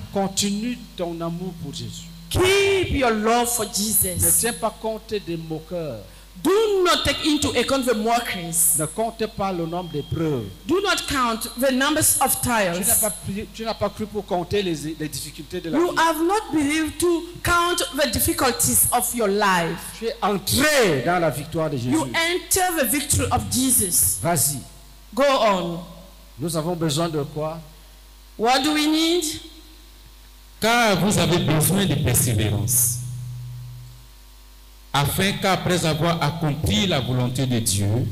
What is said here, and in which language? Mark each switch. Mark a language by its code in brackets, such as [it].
[fr] Continue ton amour pour Jésus. [en] Keep your love for Jesus. [fr] Ne tiens pas compte des moqueurs. [en] Do not take into account the mockeries. [fr] Ne compte pas le nombre d'épreuves. [en] Do not count the numbers of trials. [fr] Tu n'as pas cru pour compter les difficultés de la [en] you [fr] vie. [en] You have not believed to count the difficulties of your life. [fr] Tu es entré dans la victoire de Jésus. [en] You enter the victory of Jesus. [fr] Vas-y. [en] Go on. [fr] Nous avons besoin de quoi? [en] What do we need? [fr] Car vous avez besoin de persévérance. Afin qu'après avoir accompli la volonté de Dieu,